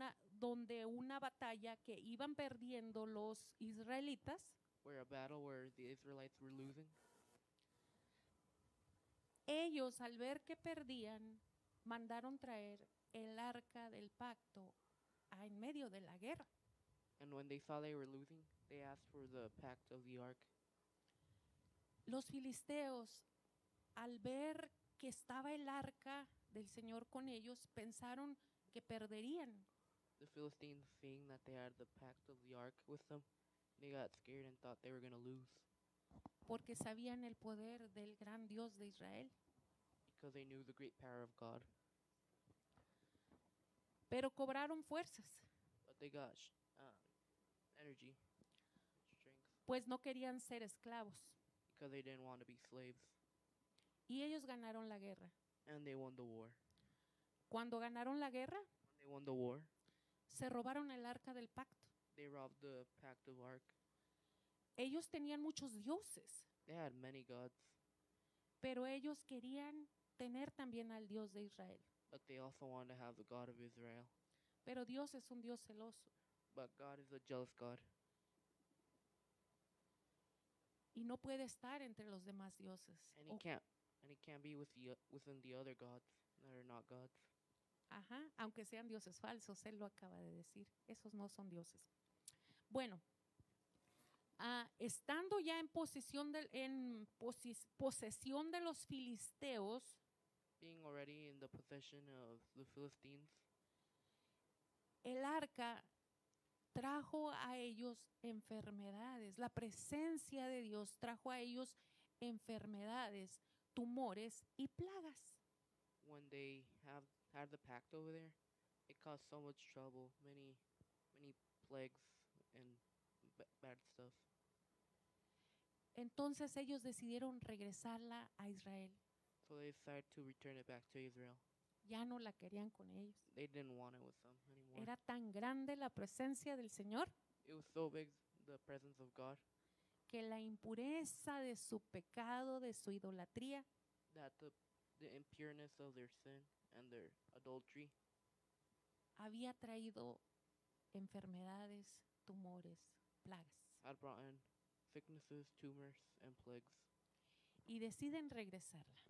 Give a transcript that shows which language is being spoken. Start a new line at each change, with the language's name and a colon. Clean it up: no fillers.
Spanish: Donde una batalla que iban perdiendo los israelitas.
English: Where a battle where the Israelites were losing.
Spanish: Ellos al ver que perdían mandaron traer el arca del pacto en medio de la guerra.
English: And when they saw they were losing, they asked for the pact of the ark.
Spanish: Los filisteos, al ver que estaba el arca del Señor con ellos, pensaron que perderían.
English: The Philistines, seeing that they had the pact of the ark with them, they got scared and thought they were going to lose.
Spanish: Porque sabían el poder del gran Dios de Israel.
English: Because they knew the great power of God.
Spanish: Pero cobraron fuerzas.
English: But they got energy.
Spanish: Pues no querían ser esclavos.
English: Because they didn't want to be slaves.
Spanish: Y ellos ganaron la guerra.
English: And they won the war.
Spanish: Cuando ganaron la guerra,
English: when they won the war,
Spanish: se robaron el arca del pacto.
English: They robbed the pact of ark.
Spanish: Ellos tenían muchos dioses.
English: They had many gods.
Spanish: Pero ellos querían tener también al Dios de Israel.
English: But they also wanted to have the God of Israel.
Spanish: Pero Dios es un Dios celoso.
English: But God is a jealous God.
Spanish: Y no puede estar entre los demás dioses.
English: And he can't. And it can't be with within the other gods that are not gods.
Spanish: Ajá, aunque sean dioses falsos, él lo acaba de decir. Esos no son dioses. Bueno, Estando ya en posesión de posesión de los filisteos,
English: being already in the possession of the Philistines,
Spanish: el arca trajo a ellos enfermedades. La presencia de Dios trajo a ellos enfermedades, tumores y plagas.
English: When they have had the pact over there, it caused so much trouble, many, many plagues and bad stuff.
Spanish: Entonces ellos decidieron regresarla a Israel.
English: So they decided to return it back to Israel.
Spanish: Ya no la querían con ellos.
English: They didn't want it with them anymore.
Spanish: Era tan grande la presencia del Señor.
English: It was so big, the presence of God.
Spanish: Que la impureza de su pecado, de su idolatría,
English: that the impureness of their sin and their adultery,
Spanish: había traído enfermedades, tumores, plagas.
English: Had brought in sicknesses, tumors, and plagues.
Spanish: Y deciden regresarla.